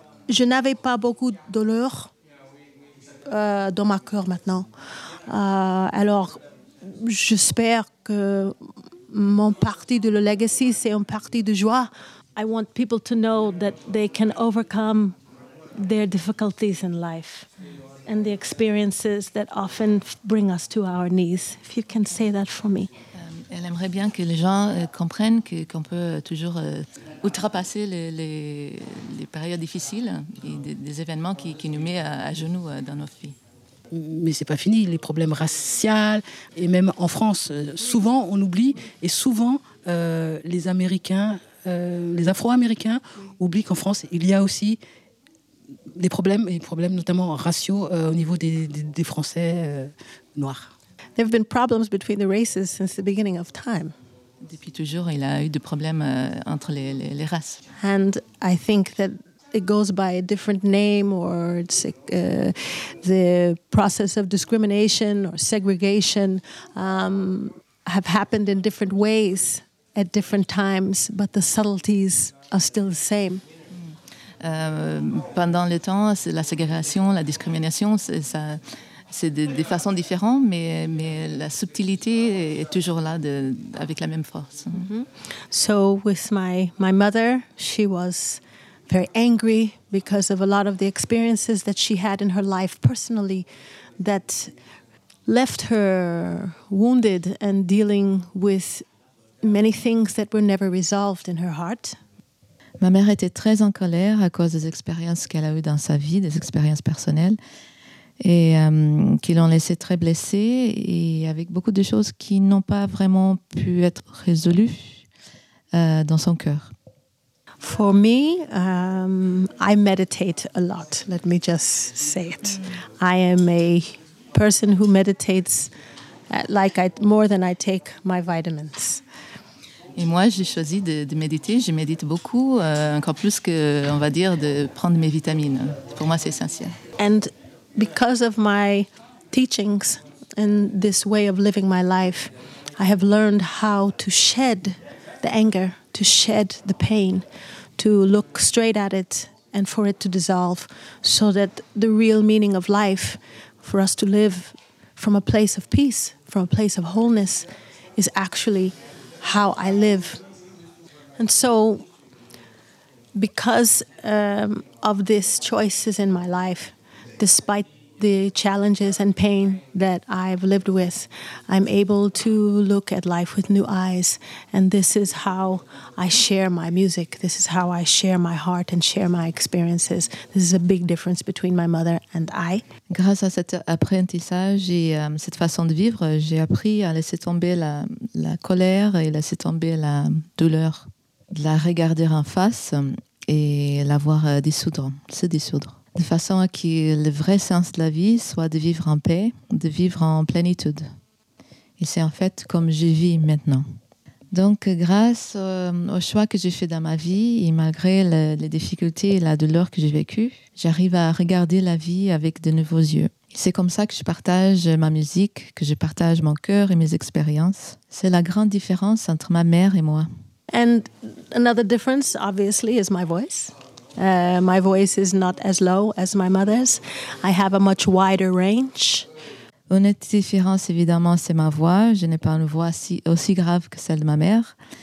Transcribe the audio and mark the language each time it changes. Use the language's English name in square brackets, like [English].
[French] Je n'avais pas beaucoup de douleur dans mon cœur maintenant. Alors, j'espère que mon parti de le legacy, c'est un parti de joie. [English] I want people to know that they can overcome their difficulties in life and the experiences that often bring us to our knees. If you can say that for me. [French] Elle aimerait bien que les gens comprennent qu'on peut toujours outrepasser les périodes difficiles et des événements qui nous mettent à genoux dans notre vie. Mais c'est pas fini, les problèmes raciaux et même en France, souvent on oublie et souvent les Américains, les Afro-Américains oublient qu'en France il y a aussi des problèmes, et des problèmes notamment raciaux au niveau des Français noirs. [English] There have been problems between the races since the beginning of time. [French] Depuis toujours, il a eu des problèmes entre les races. [English] And I think that it goes by a different name, or it's the process of discrimination or segregation have happened in different ways at different times, but the subtleties are still the same. [French] Pendant le temps, c'est la ségrégation, la discrimination, ça. C'est des façons différentes, mais la subtilité est toujours là, avec la même force. Mm-hmm. [English] So with my mother, she was very angry because of a lot of the experiences that she had in her life personally that left her wounded and dealing with many things that were never resolved in her heart. [French] Ma mère était très en colère à cause des expériences qu'elle a eues dans sa vie, des expériences personnelles. Et qui l'ont laissé très blessée et avec beaucoup de choses qui n'ont pas vraiment pu être résolues dans son cœur. [English] For me, I meditate a lot. Let me just say it. I am a person who meditates more than I take my vitamins. [French] Et moi, j'ai choisi de méditer. Je médite beaucoup, encore plus que, on va dire, de prendre mes vitamines. Pour moi, c'est essentiel. [English] And because of my teachings and this way of living my life, I have learned how to shed the anger, to shed the pain, to look straight at it and for it to dissolve, so that the real meaning of life, for us to live from a place of peace, from a place of wholeness, is actually how I live. And so, because of these choices in my life, despite the challenges and pain that I've lived with, I'm able to look at life with new eyes. And this is how I share my music. This is how I share my heart and share my experiences. This is a big difference between my mother and I. [French] Grâce à cet apprentissage et cette façon de vivre, j'ai appris à laisser tomber la colère et laisser tomber la douleur de la regarder en face et la voir dissoudre, se dissoudre. De façon à que le vrai sens de la vie soit de vivre en paix, de vivre en plénitude. Et c'est en fait comme je vis maintenant. Donc grâce au choix que j'ai fait dans ma vie, et malgré les difficultés et la douleur que j'ai vécue, j'arrive à regarder la vie avec de nouveaux yeux. C'est comme ça que je partage ma musique, que je partage mon cœur et mes expériences. C'est la grande différence entre ma mère et moi. [English] And another difference, obviously, is my voice. My voice is not as low as my mother's. I have a much wider range. [French] Une autre différence, évidemment, c'est ma voix. Je n'ai pas une voix aussi grave que celle de ma mère.